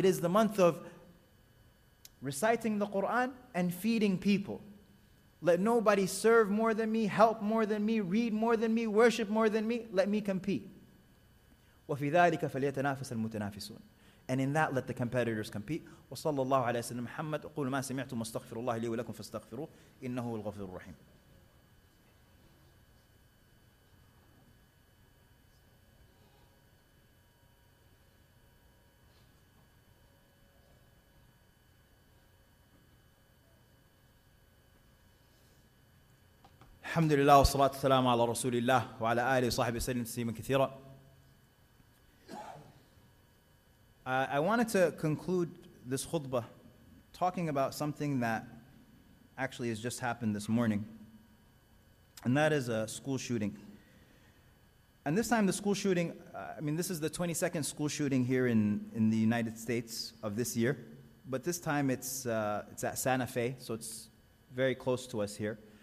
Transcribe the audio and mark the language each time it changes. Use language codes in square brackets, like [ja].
[en] It is the month of reciting the Qur'an and feeding people. Let nobody serve more than me, help more than me, read more than me, worship more than me. Let me compete. [ar] وَفِي ذَٰلِكَ فَلْيَتَنَافَسَ الْمُتَنَافِسُونَ. [en] And in that, let the competitors compete. [ar] وصلى الله على سيدنا محمد أقول ما سمعتم استغفر الله لي ولكم فاستغفروه إنه الغفور الرحيم. الحمد لله والصلاة والسلام على رسول الله وعلى آله وصحبه وسلم تسليما كثيرا. [en] I wanted to conclude this khutbah talking about something that actually has just happened this morning, and that is a school shooting. And this time the school shooting, I mean, this is the 22nd school shooting here in the United States of this year, but this time it's at Santa Fe, so it's very close to us here.